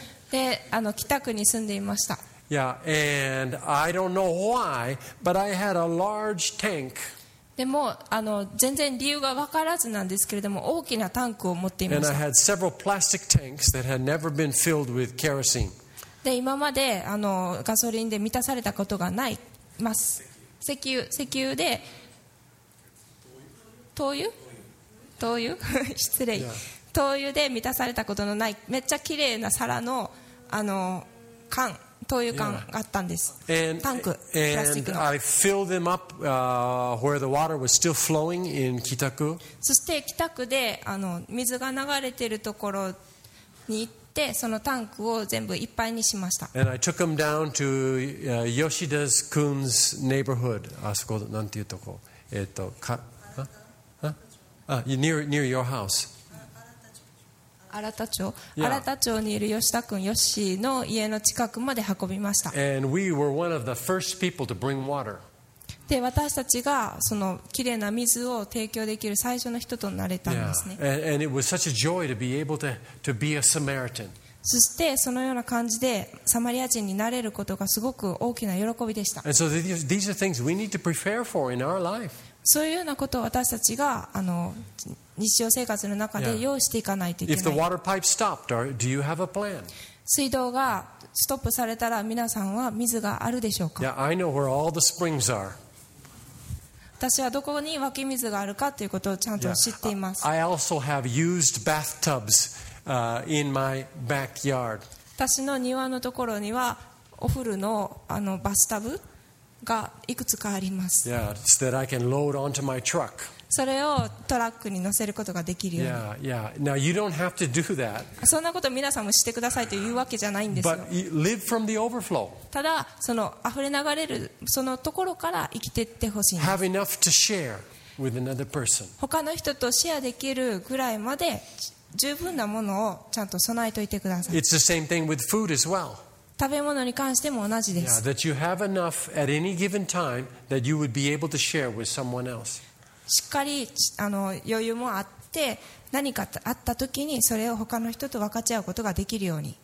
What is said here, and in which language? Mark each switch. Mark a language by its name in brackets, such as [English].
[Japanese] で北区に住んでいました。 [English] Yeah, and I don't know why, but I had a large tank. [Japanese] でも全然理由が分からずなんですけれども、大きなタンクを持っていました。 [English] And I had several plastic tanks that had never been filled with kerosene. [Japanese] で今までガソリンで満たされたことがないます。石油で灯油失礼、yeah. 灯油で満たされたことのないめっちゃ綺麗な皿 の, 缶灯油缶があったんです、 [English] yeah. and, [Japanese] タンクプラスチックの [English] and I filled them up, where the water was still flowing in Kitaku. [Japanese] そして北区で水が流れているところに行ってで、そのタンクを全部いっぱいにしました。 [English] And I took him down to Yoshida's Kun's neighborhood. [Japanese] あそこなんていうとこ、か、 [English] near your house. [Japanese] 新田町、yeah. 新田町にいる吉田君、吉の家の近くまで運びました。 [English] And we were one of the first people to bring water. [Japanese] で、私たちがそのきれいな水を提供できる最初の人となれたんですね。 [English] Yeah. And it was such a joy to be able to be a Samaritan. [Japanese] そしてそのような感じでサマリア人になれることがすごく大きな喜びでした。 [English] And so these are things we need to prepare for in our life. [Japanese] そういうようなことを私たちが日常生活の中で用意していかないといけない。 [English] If the water pipe stopped, do you have a plan? [Japanese] 水道がストップされたら皆さんは水があるでしょうか? [English] Yeah, I know where all the springs are. [Japanese] 私はどこに湧き水があるかということをちゃんと知っています。 [English] Yeah. I also have used bathtubs. In my backyard. [Japanese] 私の庭のところにはお風呂 の, あのバスタブがいくつかあります。 [English] Yeah, that I can load onto my truck. [Japanese] それをトラックに乗せることができるように。 [English] Yeah, yeah. Now you don't have to do that. [Japanese] そんなこと皆さんもしてくださいというわけじゃないんですよ。 [English] But live from the overflow. [Japanese] ただその溢れ流れるそのところから生きていってほしいんです。 [English] Have enough to share with another person. [Japanese] 他の人とシェアできるぐらいまで。十分なものをちゃんと備えておいてください。 [English] It's the same thing with food as well. [Japanese] 食べ物に関しても同じです。 [English] Yeah, that you have enough at any given time that you would be able to share with someone else. [Japanese] しっかり余裕もあって何かあった時にそれを他の人と分かち合うことができるように。